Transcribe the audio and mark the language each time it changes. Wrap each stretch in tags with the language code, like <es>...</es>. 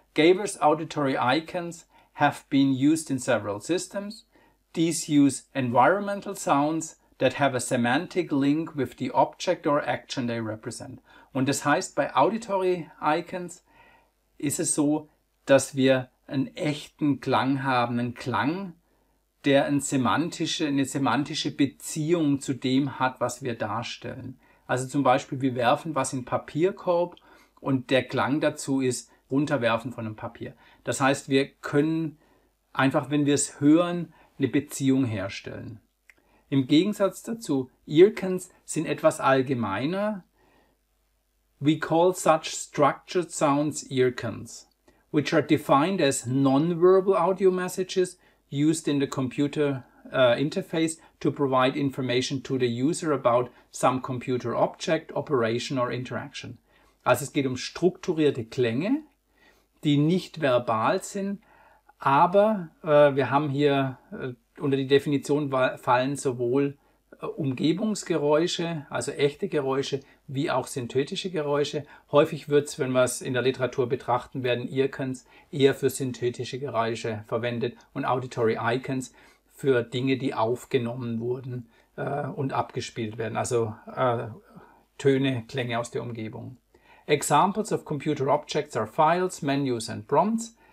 <en>Gaber's auditory icons have been used in several systems. These use environmental sounds that have a semantic link with the object or action they represent.</en> <de>Und das heißt, bei Auditory Icons ist es so, dass wir einen echten Klang haben, einen Klang, der eine semantische Beziehung zu dem hat, was wir darstellen. Also zum Beispiel, wir werfen was in Papierkorb und der Klang dazu ist runterwerfen von einem Papier. Das heißt, wir können einfach, wenn wir es hören, eine Beziehung herstellen. Im Gegensatz dazu, Earcons sind etwas allgemeiner.</de> <en>We call such structured sounds earcons, which are defined as non-verbal audio messages used in the computer interface to provide information to the user about some computer object, operation or interaction.</en> <de>Also es geht um strukturierte Klänge, die nicht verbal sind, aber wir haben hier unter die Definition fallen sowohl Umgebungsgeräusche, also echte Geräusche, wie auch synthetische Geräusche. Häufig wird es, wenn wir es in der Literatur betrachten, werden Earcons eher für synthetische Geräusche verwendet und Auditory Icons für Dinge, die aufgenommen wurden und abgespielt werden, also Töne, Klänge aus der Umgebung.</de> <en>Examples of computer objects are files, menus and prompts.</en>